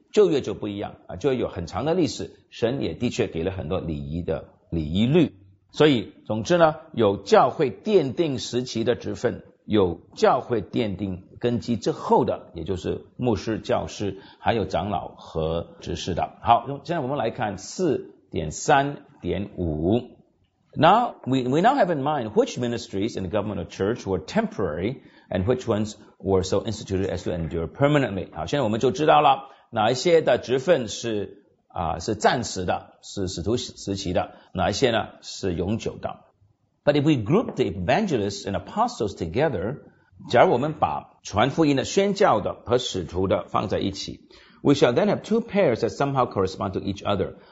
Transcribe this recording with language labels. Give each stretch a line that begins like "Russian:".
Chinese: 旧约就不一样啊，旧约有很长的历史，神也的确给了很多礼仪的礼仪律。所以总之呢，有教会奠定时期的职分，有教会奠定根基之后的，也就是牧师、教师还有长老和执事的。好，现在我们来看 4.3.5。
English: Now we now have in mind which ministries in the government of church were temporary and which ones were so instituted as to endure permanently。
Chinese: 好，现在我们就知道了哪一些的职分是暂时的，是使徒时期的，哪一些呢是永久的。
English: But if we group the evangelists and apostles together,
Chinese: 假如我们把传福音的宣教的和使徒的放在一起，
English: we shall then have two pairs that somehow correspond to each other.